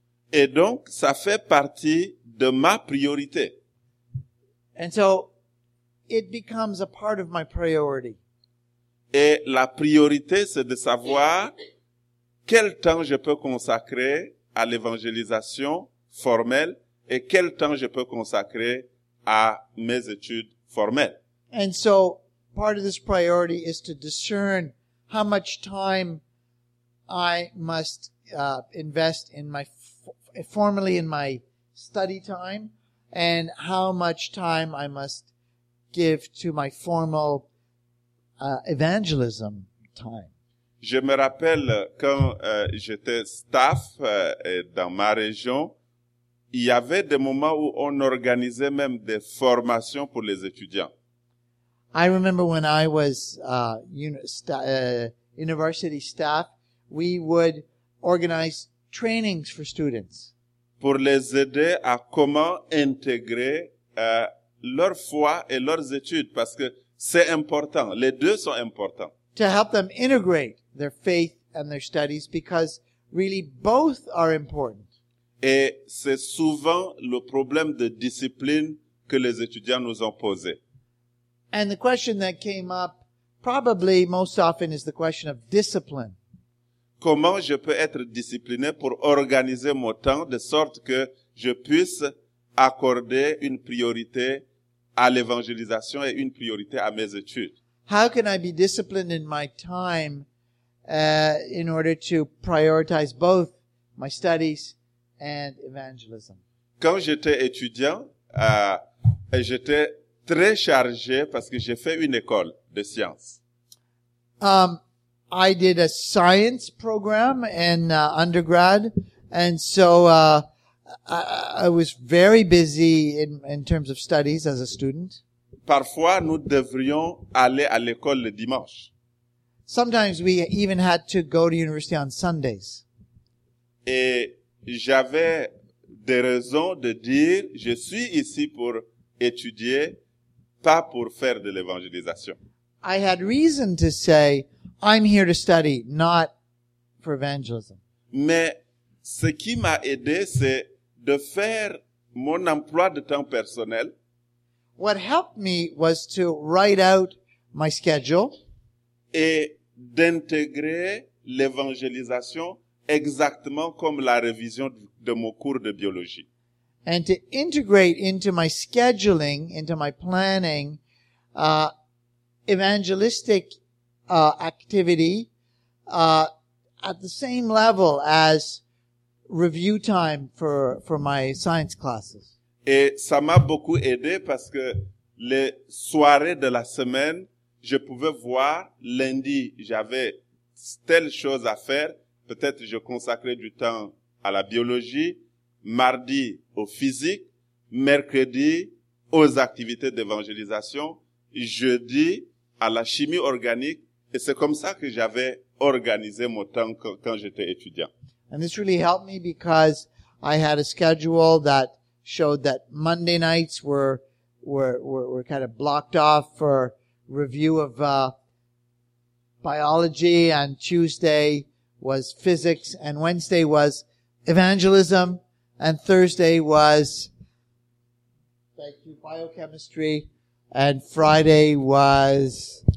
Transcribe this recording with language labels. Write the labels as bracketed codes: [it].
[fr] Et donc, ça fait partie de ma priorité. [en] And so, it becomes a part of my priority. [fr] Et la priorité, c'est de savoir quel temps je peux consacrer à l'évangélisation formelle et quel temps je peux consacrer à mes études formelles. [en] And so, part of this priority is to discern how much time I must invest in my formally in my study time and how much time I must give to my formal evangelism time. [fr] Je me rappelle quand j'étais staff dans ma région, il y avait des moments où on organisait même des formations pour les étudiants. [en] I remember when I was university staff, we would organize trainings for students. [fr] Pour les aider à comment intégrer leur foi et leurs études, parce que c'est important. Les deux sont importants. [en] To help them integrate their faith and their studies, because really both are important. [fr] Et c'est souvent le problème de discipline que les étudiants nous ont posé. [en] And the question that came up probably most often is the question of discipline. [fr] Comment je peux être discipliné pour organiser mon temps de sorte que je puisse accorder une priorité à l'évangélisation et une priorité à mes études? [en] How can I be disciplined in my time in order to prioritize both my studies and evangelism? [fr] Quand j'étais étudiant, j'étais très chargé parce que j'ai fait une école de sciences. [en] I did a science program in undergrad, and so I was very busy in terms of studies as a student. [fr] Parfois, nous devrions aller à l'école le dimanche. [en] Sometimes we even had to go to university on Sundays. [fr] Et j'avais des raisons de dire, je suis ici pour étudier, pas pour faire de l'évangélisation. [en] I had reason to say, I'm here to study, not for evangelism. [fr] Mais ce qui m'a aidé, c'est de faire mon emploi de temps personnel. [en] What helped me was to write out my schedule. [fr] Et d'intégrer l'évangélisation exactement comme la révision de mon cours de biologie. [en] And to integrate into my scheduling, into my planning, evangelistic activity at the same level as review time for my science classes. [fr] Et ça m'a beaucoup aidé parce que les soirées de la semaine, je pouvais voir lundi, j'avais telle chose à faire, peut-être je consacrais du temps à la biologie, mardi au physique, mercredi aux activités d'évangélisation, jeudi à la chimie organique, et c'est comme ça que j'avais organisé mon temps quand j'étais étudiant. [en] And this really helped me because I had a schedule that showed that Monday nights were kind of blocked off for review of biology, and Tuesday was physics, and Wednesday was evangelism, and Thursday was biochemistry, and Friday was